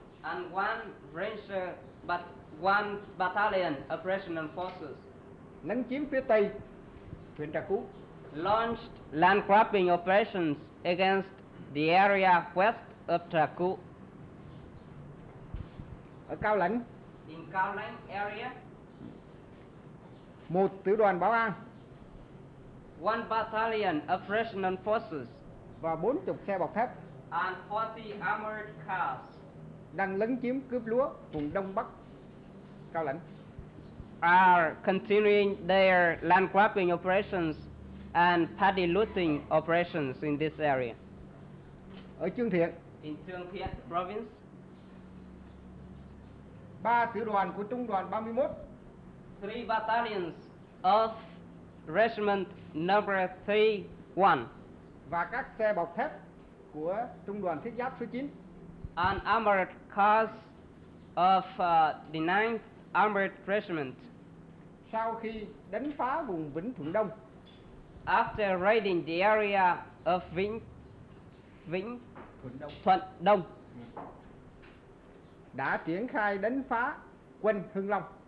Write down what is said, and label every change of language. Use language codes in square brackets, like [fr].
[en] And one ranger, but one battalion of regiment forces. [vi] Lấn chiếm phía tây huyện Trà Cú. [en] Launched land grabbing operations against the area west of Trà Cú. [vi] Ở Cao Lãnh. [en] In Cao Lãnh area. [vi] Một tiểu đoàn bảo an. [en] One battalion of regional forces. [vi] Và 40 xe bọc thép. [en] And 40 armored cars. [vi] Đang lấn chiếm cướp lúa vùng đông bắc Cao Lãnh. [en] Are continuing their land grabbing operations and petty looting operations in this area. [vi] Ở Trương Thiện, [en] in Trương Thiện province, [vi] ba tiểu đoàn của trung đoàn 31, [en] three battalions of regiment number 31, [vi] và các xe bọc thép của trung đoàn thiết giáp số 9, [en] an armored cars of the 9th armored regiment, [vi] sau khi đánh phá vùng Vĩnh Thuận Đông, [en] after raiding the area of Vĩnh Thuận Đông, [vi] Thuận Đông, đã triển khai đánh phá quân Hưng Long,